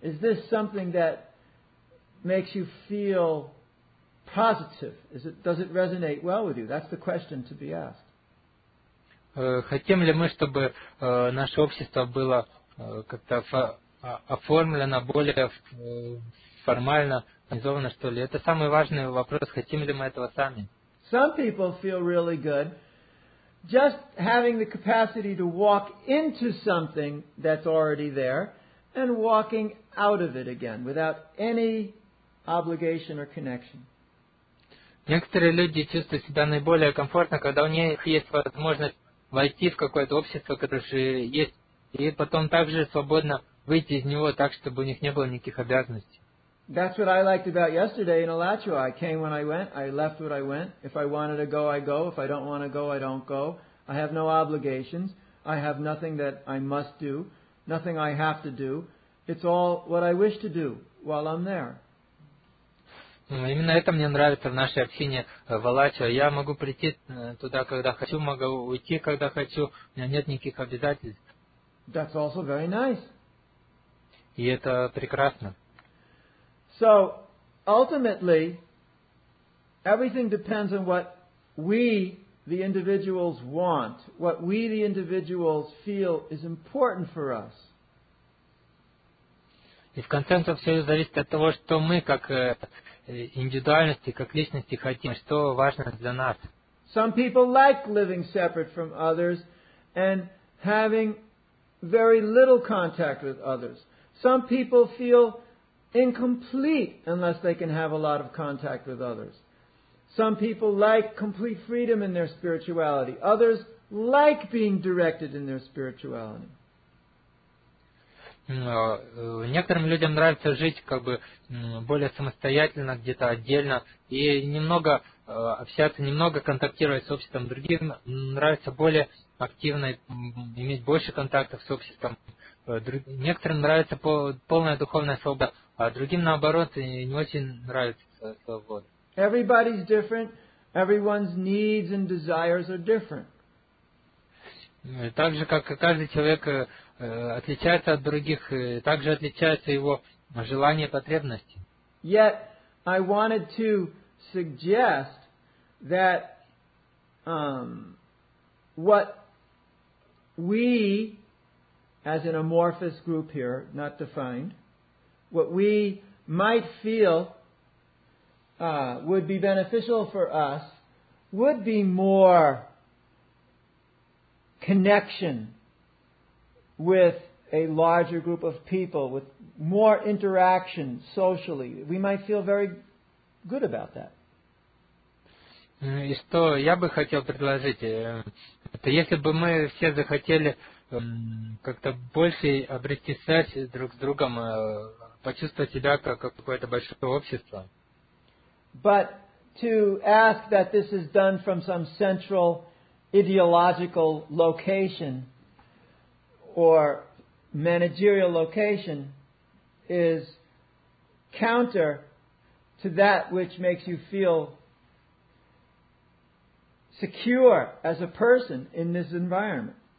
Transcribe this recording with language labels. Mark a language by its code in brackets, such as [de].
[en] Is this something that makes you feel positive? Does it resonate well with you? That's the question to be asked. [ru] Хотим ли мы, чтобы наше общество было как-то оформлено более формально, организовано, что ли? Это самый важный вопрос. Хотим ли мы этого сами? [en] Some people feel really good just having the capacity to walk into something that's already there and walking out of it again without any obligation or connection. [ru] Некоторые люди чувствуют себя наиболее комфортно, когда у них есть возможность войти в какое-то общество, которое же есть, и потом также свободно выйти из него так, чтобы у них не было никаких обязанностей. [en] That's what I liked about yesterday in Alachua. I came when I went. I left when I went. If I wanted to go, I go. If I don't want to go, I don't go. I have no obligations. I have nothing that I must do, nothing I have to do. It's all what I wish to do while I'm there. [ru] Именно это мне нравится в нашей общине в Алачуа. Я могу прийти туда, когда хочу, могу уйти, когда хочу. У меня нет никаких обязательств. [en] That's also very nice. [ru] И это прекрасно. [en] So, ultimately, everything depends on what we, the individuals, want, what we, the individuals, feel is important for us. [ru] И в конце концов все зависит от того, что мы как индивидуальности, как личности хотим, что важно для нас. [en] Some people like living separate from others and having very little contact with others. Some people feel incomplete unless they can have a lot of contact with others. Some people like complete freedom in their spirituality. Others like being directed in their spirituality. [ru] Некоторым людям нравится жить как бы более самостоятельно, где-то отдельно, и немного общаться, немного контактировать с обществом. Другим нравится более активно иметь больше контактов с обществом. Некоторым нравится полная духовная свобода, а другим наоборот не очень нравится свобода. [en] Everybody's different. Everyone's needs and desires are different. [ru] Так же, как каждый человек отличается от других, также отличаются его желания и потребности. [en] Yet I wanted to suggest that what we as an amorphous group here, not defined, what we might feel would be beneficial for us would be more connection with a larger group of people, with more interaction socially. We might feel very good about that. [ru] И что я бы хотел предложить, это если бы мы все захотели как-то больше обрести связь друг с другом, почувствовать себя как какое-то большое общество. [en] But to ask that this is done from some central ideological location or managerial location is counter to that which makes you feel secure as a person in this environment.